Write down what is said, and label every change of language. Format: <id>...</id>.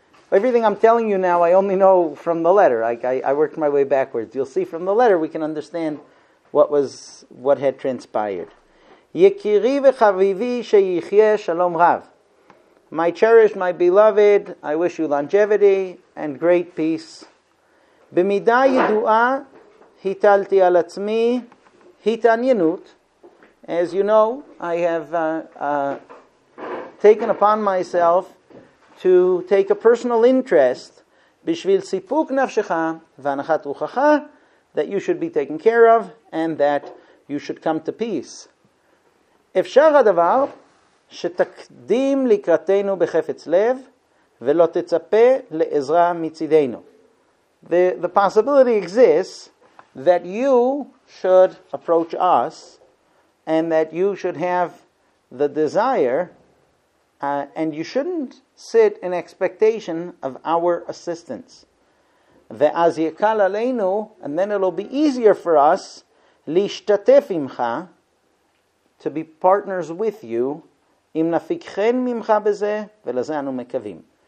<en>Everything I'm telling you now, I only know from the letter. I worked my way backwards. You'll see from the letter, we can understand what had transpired.</en> <he>Yekiri v'chavivi sheyichye shalom rav.</he> <en>My cherished, my beloved, I wish you longevity and great peace.</en> <he>במידה ידועה היתלתי על עצמי התעניינות.</he> <en>As you know, I have taken upon myself to take a personal interest</en> <he>בשביל סיפוק נפשך והנחת רוחך,</he> <en>that you should be taken care of and that you should come to peace.</en> <he>אפשר הדבר שתקדים לקראתנו בחפץ לב ולא תצפה לעזרה מצידנו.</he> <en>The possibility exists that you should approach us and that you should have the desire and you shouldn't sit in expectation of our assistance.</en> <he>Ve'az yekal aleinu,</he> <en>and then it'll be easier for us,</en> <he>lishtatef imcha,</he> <en>to be partners with you,</en> <he>im nafikchen mimcha bezeh, ve'lazanu mekavim.</he>